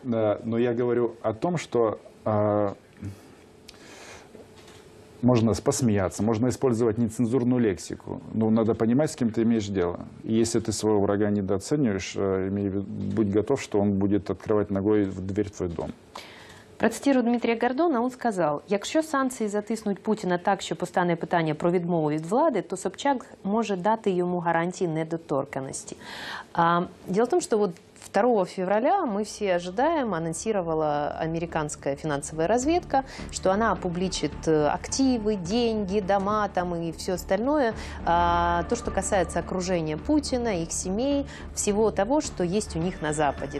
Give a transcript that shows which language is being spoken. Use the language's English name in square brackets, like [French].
[Russian] Но я говорю о том, что можно посмеяться, можно использовать нецензурную лексику, но надо понимать, с кем ты имеешь дело. И если ты своего врага недооцениваешь, будь готов, что он будет открывать ногой в дверь в твой дом. Процитирую [Ukrainian] Дмитрія Гордона, он сказав: якщо санкції затиснуть Путіна так, що постане питання про відмову від влади, то Собчак може дати йому гарантії недоторканності. [Russian] Дело в том, что вот 2 февраля мы все ожидаем, анонсировала американская финансовая разведка, что она опубличит активы, деньги, дома там и все остальное. То, что касается окружения Путина, их семей, всего того, что есть у них на Западе.